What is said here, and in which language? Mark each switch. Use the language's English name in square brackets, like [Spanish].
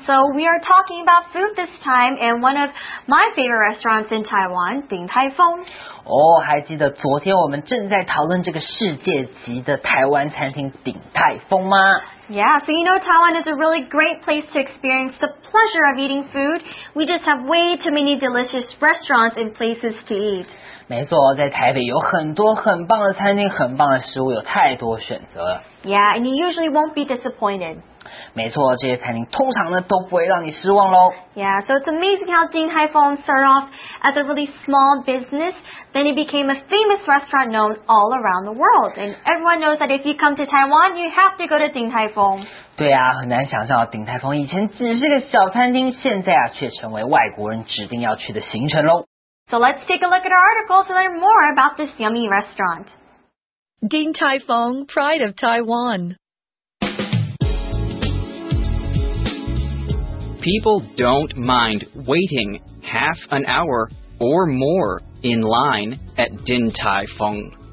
[English] So we are talking about food this time, and one of my favorite restaurants in Taiwan, Ding Tai Fung. [Chinese] 还记得昨天我们正在讨论这个世界级的台湾餐厅鼎泰丰吗？ [English] Yeah, so you know Taiwan is a really great place to experience the pleasure of eating food. We just have way too many delicious restaurants and places to eat. [Chinese] 没错，在台北有很多很棒的餐厅，很棒的食物，有太多选择了。 [English] Yeah, and you usually won't be disappointed. [Chinese] 没错，这些餐厅通常呢都不会让你失望咯。 [English] Yeah, so it's amazing how Ding Tai Fung started off as a really small business, then it became a famous restaurant known all around the world. And everyone knows that if you come to Taiwan, you have to go to Ding Tai Fung. [Chinese] 对啊，很难想象Ding Tai Fung以前只是个小餐厅，现在啊却成为外国人指定要去的行程咯。 [English] So let's take a look at our article to learn more about this yummy restaurant. Ding Tai Fung, Pride of Taiwan. People don't mind waiting half an hour or more in line at Din Tai Fung.